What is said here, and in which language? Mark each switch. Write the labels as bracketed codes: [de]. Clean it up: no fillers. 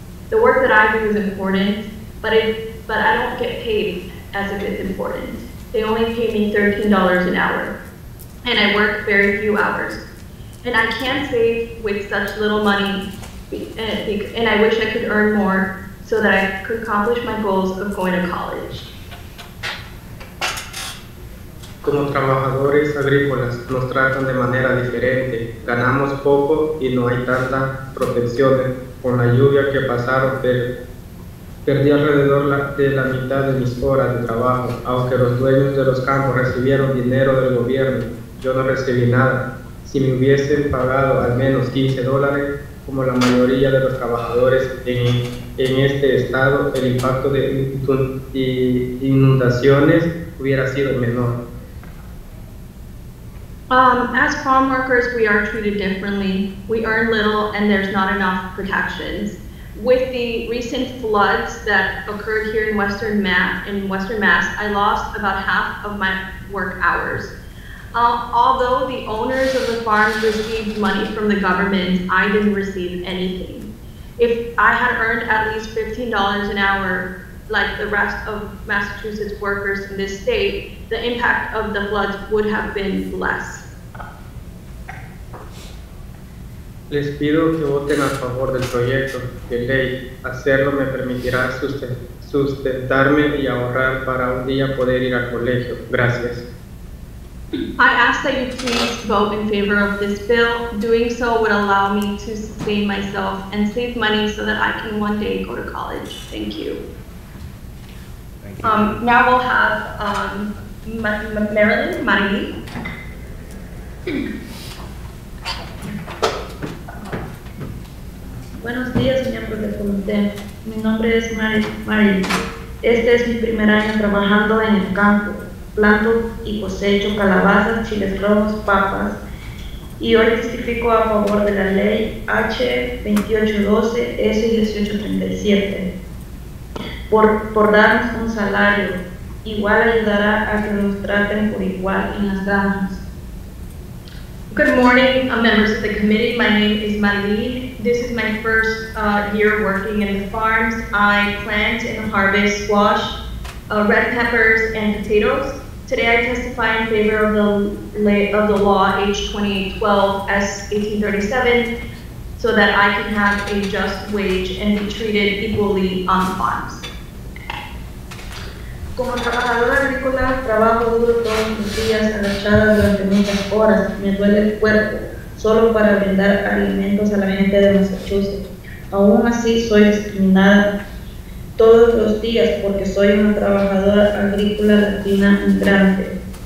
[en] The work that I do is important, but I don't get paid as if it's important. They only pay me $13 an hour, and I work very few hours. And I can't save with such little money, and I wish I could earn more so that I could accomplish my goals of going to college. [es] Como trabajadores agrícolas, nos tratan de manera diferente. Ganamos poco y no hay tanta protección. Con la lluvia que pasaron, perdí alrededor de la mitad de mis horas de trabajo. Aunque los dueños de los campos recibieron dinero del gobierno, yo no recibí nada. Si me hubiesen pagado al menos $15, como la mayoría de los trabajadores en este estado, el impacto de inundaciones hubiera sido menor. [en] As farm workers, we are treated differently. We earn little and there's not enough protections. With the recent floods that occurred here in Western Mass, I lost about half of my work hours. Although the owners of the farms received money from the government, I didn't receive anything. If I had earned at least $15 an hour, like the rest of Massachusetts workers in this state, the impact of the floods would have been less. [es] Les pido que voten a favor del proyecto de ley. Hacerlo me permitirá sustentarme y ahorrar para un día poder ir al colegio. Gracias. [en] I ask that you please vote in favor of this bill. Doing so would allow me to sustain myself and save money so that I can one day go to college. Thank you. Thank you. Now we'll have Marilyn Marie. [es] Buenos días, miembros del comité. Mi nombre es Marilyn. Este es mi primer año trabajando en el campo. Planto y cosecho calabazas, chiles rojos, papas. Y hoy testifico a favor de la ley H-2812-S-1837 por darnos un salario. Igual ayudará a que nos traten por igual en las granjas. [en] Good morning, members of the committee. My name is Marilyn. This is my first year working in the farms. I plant and harvest squash, red peppers, and potatoes. Today I testify in favor of the law H-2812-S-1837 so that I can have a just wage and be treated equally on the farms. [es] Como trabajadora agrícola, trabajo duro todos los días agachada durante muchas horas. Me duele el cuerpo solo para brindar alimentos a la gente de Massachusetts. Aún así, soy discriminada todos los días porque soy una trabajadora agrícola latina migrante.